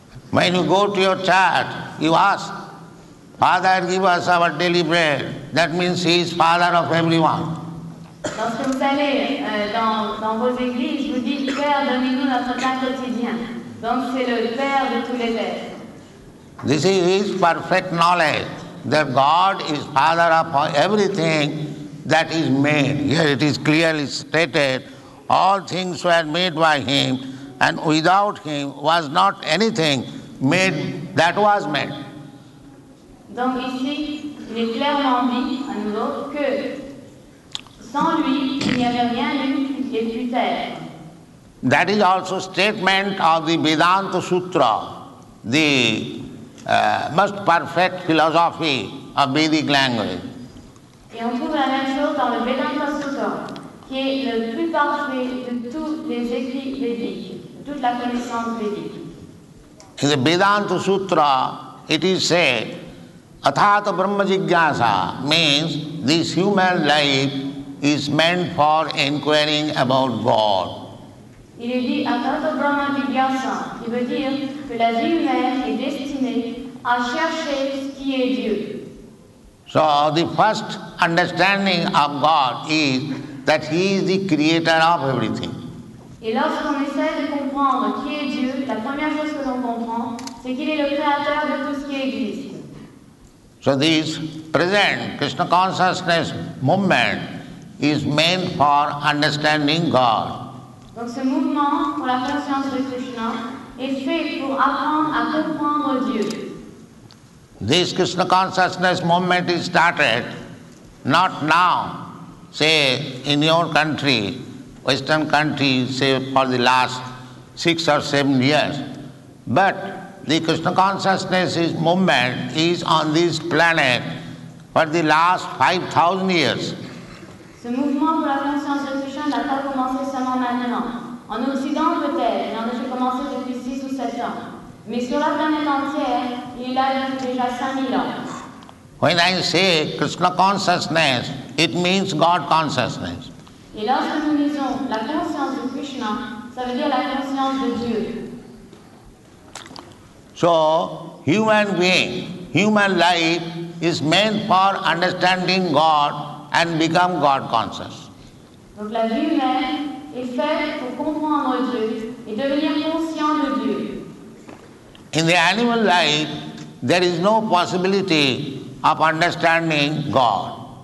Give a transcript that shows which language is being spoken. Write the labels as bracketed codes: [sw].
[en] When you go to your church, you ask, Father, give us our daily bread. That means He is Father of everyone. [fr] Lorsque vous allez dans vos églises, vous dites, Père, donnez-nous notre pain quotidien. Donc, c'est le Père de tous les êtres. [en] This is His perfect knowledge. That God is Father of everything that is made. Here it is clearly stated, all things were made by Him, and without Him was not anything made that was made. [fr] Donc ici, il est clairement dit à nouveau que sans lui, il n'y avait rien de plus terre. [en] That is also statement of the Vedanta Sutra, the most perfect philosophy of Vedic language. [fr] Et on trouve la même chose dans le Vedanta Sutra, qui est le plus parfait de tous les écrits védiques, toute la connaissance védique. [en] In the Vedanta Sutra, it is said, [sa] Athata Brahma Jigyasa, [en] means this human life is meant for inquiring about God. [fr] Il est dit [sa] Athata Brahma Jigyasa, [fr] qui veut dire que la vie humaine est destinée à chercher ce qui est Dieu. [en] So the first understanding of God is that He is the creator of everything. [fr] Et lorsqu'on essaie de comprendre qui est Dieu, la première chose que l'on comprend, c'est qu'il est le créateur de tout ce qui existe. [en] So this present Krishna consciousness movement is meant for understanding God. [fr] Donc ce mouvement pour la conscience de Krishna est fait pour apprendre à comprendre Dieu. [en] This Krishna consciousness movement is started not now, say in your country, Western country, say for the last 6 or 7 years, but the Krishna consciousness movement is on this planet for the last 5,000 years. [fr] Ce mouvement pour la conscience de Krishna n'a pas commencé seulement maintenant. En Occident peut-être, il en a commencé depuis 6 ou 7 ans. Mais sur la planète entière, il a déjà 5,000 ans. [en] When I say Krishna consciousness, it means God consciousness. [fr] Et lorsque nous disons la conscience de Krishna, ça veut dire la conscience de Dieu. [en] So, human being, human life is meant for understanding God and become God conscious. [fr] Donc la vie humaine est faite pour comprendre Dieu et devenir conscient de Dieu. [en] In the animal life, there is no possibility of understanding God.